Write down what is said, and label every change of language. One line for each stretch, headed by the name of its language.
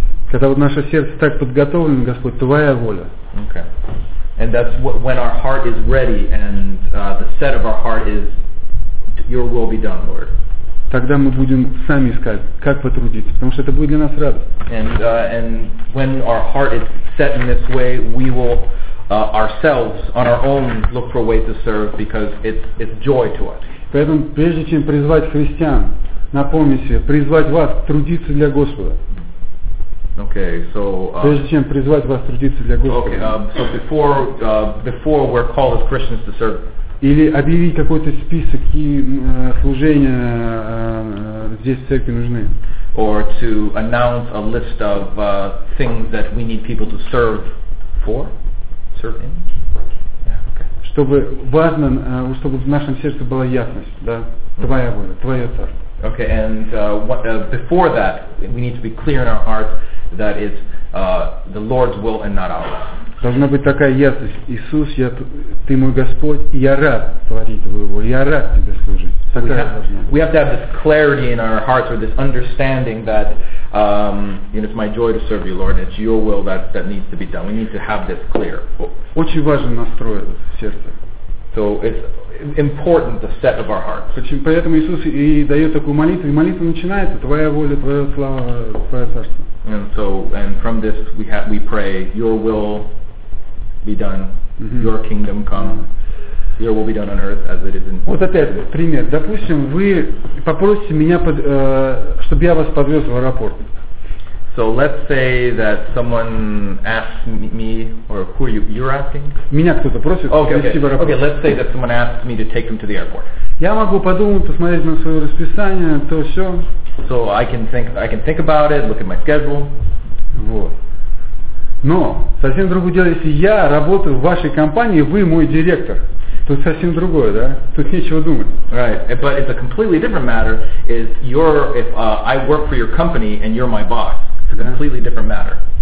Russian: Когда вот наше сердце так подготовлено, Господь, Твоя воля.
English: Okay. And that's when our heart is ready and the set of our heart is Your will be done, Lord.
Russian: Тогда мы будем сами искать, как потрудиться, потому что это будет для нас радость.
English: And when our heart is set in this way, we will ourselves, on our own, look for ways to serve because it's joy to us.
Russian: Поэтому прежде чем призвать христиан, напомню себе, призвать вас трудиться для Господа.
English: Okay, so.
Russian: Прежде чем призвать вас трудиться для Господа.
English: Okay, so before we're called as Christians to serve.
Russian: Или объявить какой-то список и служения здесь в церкви нужны.
English: Or to announce a list of things that we need people to serve for. Serve in.
Russian: Чтобы важно, чтобы в нашем сердце была ясность, да, Твоя воля, Твое царство.
English: Okay, and before that, we need to be clear in our hearts that it's the Lord's will and not ours.
Russian: Должна быть такая ясность. Иисус, я, Ты мой Господь, и я рад творить Твою волю, я рад Тебе служить. Такая должна.
English: We have to have this clarity in our hearts or this understanding that it's my joy to serve you, Lord. It's your will that needs to be done. We need to have this clear.
Russian: Очень важен настрой в сердце.
English: So it's important the set of our hearts.
Russian: Поэтому Иисус и дает такую молитву, и молитва начинается: Твоя воля, Твоя слава, Твое царство.
English: And so, and from this we pray, Your will be done, Your kingdom come, Your will be done on earth as it is in.
Russian: Вот опять пример. Допустим, вы попросите меня, чтобы я вас подвез в аэропорт.
English: So let's say that someone asks me, or who are you? You're asking.
Russian: Меня кто-то просит подвезти в аэропорт.
English: Okay, let's say that someone asks me to take them to the airport.
Russian: Я могу подумать, посмотреть на свое расписание, то все.
English: So I can think about it, look at my schedule.
Russian: Вот. Но совсем другое дело, если я работаю в вашей компании, вы мой директор. Тут совсем другое, да? Тут нечего думать.
English: Right, but it's a completely different matter. Is if I work for your company and you're my boss, it's a completely different matter.